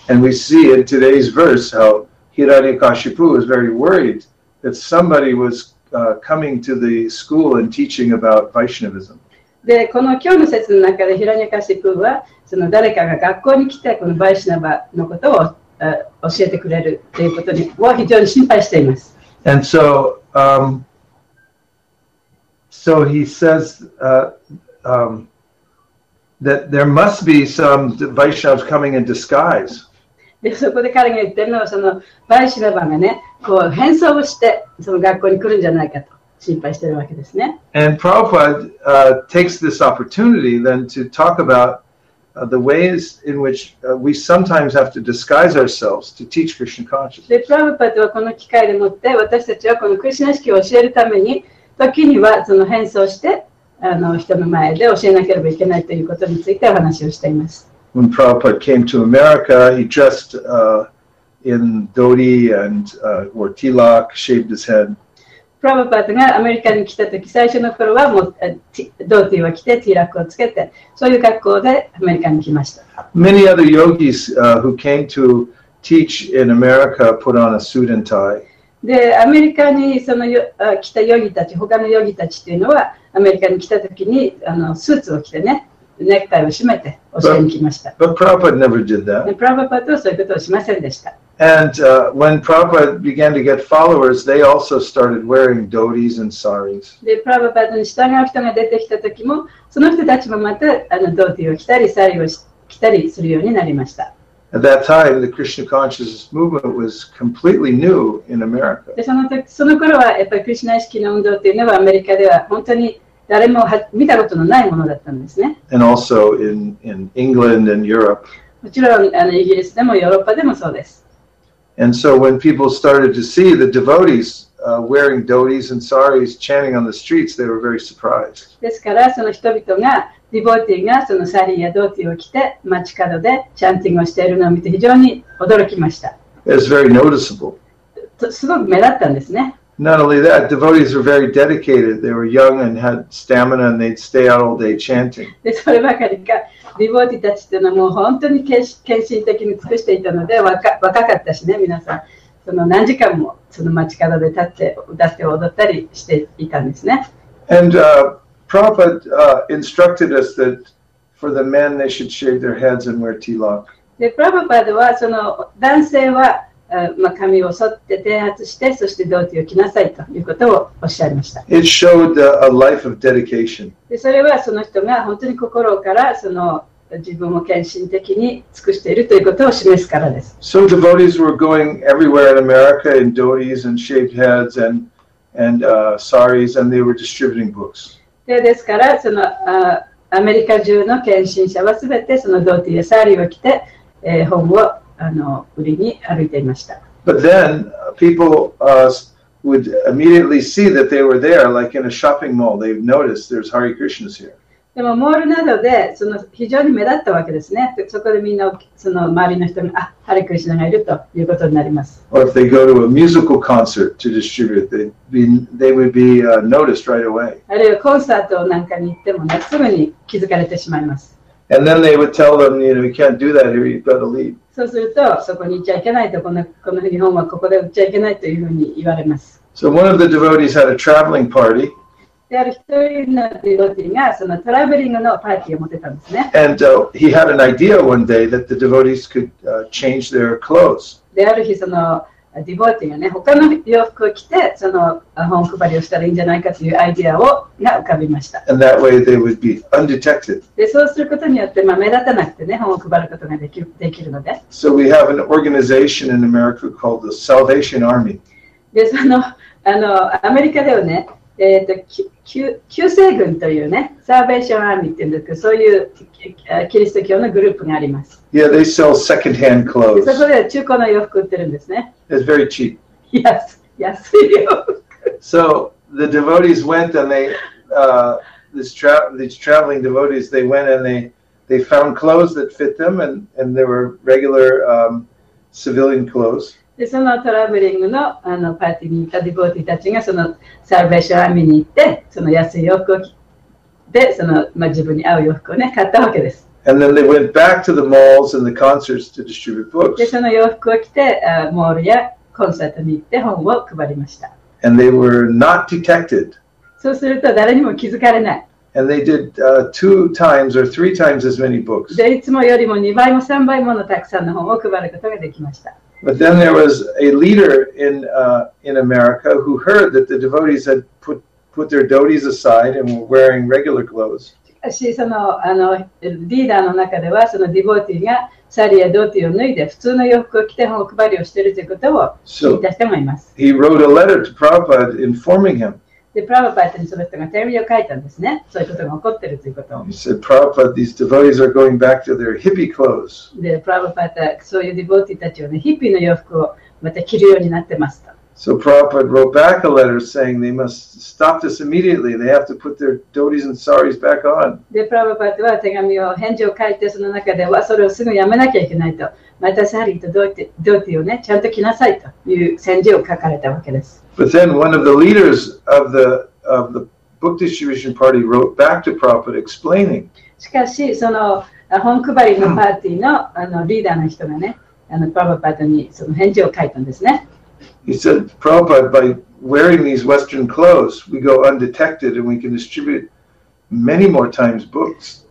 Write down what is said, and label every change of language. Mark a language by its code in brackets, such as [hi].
[en] And we see in today's verse how Hiranyakashipu was very worried that somebody was coming to the school and teaching about Vaishnavism. [ja] で、この今日の説の中でヒラニャカシプーはその誰かが学校に来てこのバイシナバのことを教えてくれるということに、は非常に心配しています。 [en] And so, So he says that there must be some Vaishnavas coming in disguise. [ja] で、そこで彼が言ってるのは、そのバイシナバがね、こう変装をしてその学校に来るんじゃないかと心配してるわけですね。 [en] And Prabhupada takes this opportunity then to talk aboutthe ways in which we sometimes have to disguise ourselves to teach Krishna consciousness. [ja] で、プラブパッドはこの機会でもって、私たちはこのクリスナ意識を教えるために、時にはその変装して人の前で教えなければいけないということについてお話をしています。 [en] When Prabhupada came to America, he dressed in dhoti and wore tilak, shaved his head. [ja] Prabhupada がアメリカに来た時、最初の頃はもうdhotiを着てティラックをつけて、そういう格好でアメリカに来ました。 [en] Many other yogis who came to teach in America put on a suit and tie. [ja] で、アメリカにその来たヨギたち、他のヨギたちというのは、アメリカに来た時にスーツを着てね、ネクタイを締めて教えに来ました。 [en] But Prabhupada never did that. [ja] で、プラブパッドはそういうことをしませんでした。 [en] And when Prabhupada began to get followers, they also started wearing dhotis and saris. [ja] で、プラブパッドに従う人が出てきた時も、その人たちもまたドーティーを着たり、サリーを着たりするようになりました。 [en] At that time, the Krishna consciousness movement was completely new in America. [ja] その頃はやっぱりクリスナ意識の運動というのはアメリカでは本当に誰も見たことのないものだったんですね。 [en] And also in England and Europe. [ja] もちろんイギリスでもヨーロッパでもそうです。 [en] And so when people started to see the devotees wearing dhotis and saris chanting on the streets, they were very surprised. [ja] ですからその人々がディボーティーがそのサリーやドーティーを着て街角でチャンティングをしているのを見て非常に驚きました。 [en] It's very noticeable. [ja] すごく目立ったんですね。 [en] Not only that, devotees were very dedicated. They were young and had stamina and they'd stay out all day chanting. [ja] で、そればかりか、ディボーティーたちというのはもう本当に献身的に尽くしていたので若かったしね、皆さん。その何時間もその街角で立って歌って踊ったりしていたんですね。 [en] And, Prabhupada instructed us that for the men they should shave their heads and wear tilak. [ja] で、プラブパッドはその男性は、髪を剃って剃髪して、そしてドーティを着なさいということをおっしゃいました。 [en] It showed a life of dedication. [ja] で、それはその人が本当に心からその自分を献身的に尽くしているということを示すからです。 [en] So devotees were going everywhere in America in dhotis and shaved heads and saris and they were distributing books. [ja] で、ですからそのアメリカ中の献身者はすべてそのドーティーやサーリーを着て、本を売りに歩いていました。 [en] But then, people would immediately see that they were there, like in a shopping mall. They've noticed there's Hare Krishnas here. [ja] でもモールなどでその非常に目立ったわけですね。そこでみんなその周りの人が、Hare Krishna がいるということになります。 [en] Or if they go to a musical concert to distribute, they would be noticed right away. [ja] あるいはコンサートなんかに行ってもね、すぐに気づかれてしまいます。 [en] And then they would tell them, you know, you can't do that here, you've got to leave. [ja] そうすると、そこに行っちゃいけないと、この日本はここで売っちゃいけないというふうに言われます。 [en] So one of the devotees had a traveling party. [ja] である一人のディボティがそのトラベリングのパーティーを持ってたんですね。 [en] And he had an idea one day that the devotees could change their clothes. [ja] である日そのディボーティーがね、他の洋服を着てその本配りをしたらいいんじゃないかというアイデアをが浮かびました。 [en] And that way they would be undetected. [ja] で、そうすることによって、まあ、目立たなくてね、本を配ることができるので。 [en] So we have an organization in America called the Salvation Army. [ja] で、あのアメリカではね、救世軍というね、サーベーションアーミーっていうんですけど、そういうキリスト教のグループがあります。 [en] Yeah, they sell second-hand clothes. [ja] そこで中古の洋服売ってるんですね。 [en] It's very cheap. Yes, [ja] 安いよ。 [en] So the devotees went and they, these traveling devotees, they went and they found clothes that fit them and they were regular, civilian clothes. [ja] でそのトラブリング のパーティーに行ったディボーティーたちがそのサルベーションアーミーに行ってその安い洋服を着てその、まあ、自分に合う洋服を、ね、買ったわけです。 [en] And then they went back to the malls and the concerts to distribute books. [ja] でその洋服を着てモールやコンサートに行って本を配りました。 [en] And they were not detected. [ja] そうすると誰にも気づかれない。 [en] And they did two times or three times as many books. [ja] でいつもよりも2倍も3倍ものたくさんの本を配ることができました。 [en] But then there was a leader in America who heard that the devotees had put their dhotis aside and were wearing regular clothes. [ja] しかし、あのリーダーの中では、そのディボーティーがサリやドーティーを脱いで普通の洋服を着て本配りをしているということを聞いた人もいます。 [en] So, he wrote a letter to Prabhupada informing him. [ja] で、プラヴァパータにその人が手紙を書いたんですね。そういうことが起こってるということを。 [en] He said, Prabhupada, these devotees are going back to their hippie clothes. [ja] で、プラヴァパータ、そういうディボーティーたちはね、ヒッピーの洋服をまた着るようになってますと。 [en] So Prabhupada wrote back a letter saying they must stop this immediately. They have to put their dhotis and saris back on. [ja] で、プラヴァパータは手紙を、返事を書いて、その中では、それをすぐやめなきゃいけないと。またサリーとドーティーをね、ちゃんと着なさいという宣示を書かれたわけです。 [en] But then one of the leaders of the book distribution party wrote back to Prabhupada explaining. [ja] しかし、その本配りのパーティーの、あのリーダーの人がね、あのプラヴァパータにその返事を書いたんですね。 [en] He said, Prabhupada, by wearing these Western clothes, we go undetected and we can distribute many more times books.